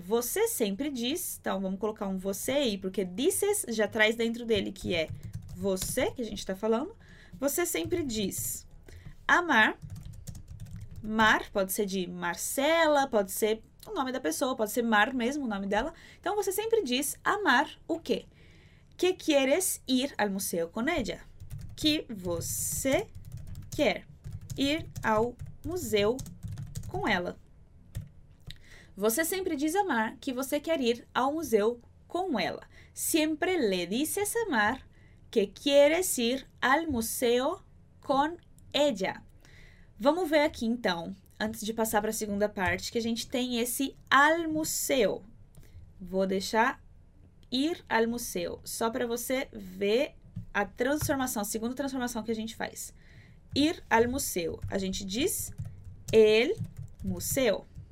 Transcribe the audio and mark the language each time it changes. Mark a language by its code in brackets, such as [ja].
[pt] Você sempre diz. Então vamos colocar um você aí, porque dices já traz dentro dele que é você que a gente está falando. Você sempre diz a Mar. Mar pode ser de Marcela, pode ser o nome da pessoa, pode ser Mar mesmo o nome dela. Então você sempre diz a Mar o quê? [es] Que quieres ir al museo con ella? [pt] Que você quer ir ao museu com ela? Você sempre diz a Mar que você quer ir ao museu com ela. [es] Siempre le dices a Mar que quieres ir al museo con ella. [pt] Vamos ver aqui então, antes de passar para a segunda parte, que a gente tem esse [es] al museo. [pt] Vou deixar ir al museu, só para você ver a transformação, a segunda transformação que a gente faz. Ir al museu, a gente diz el museu.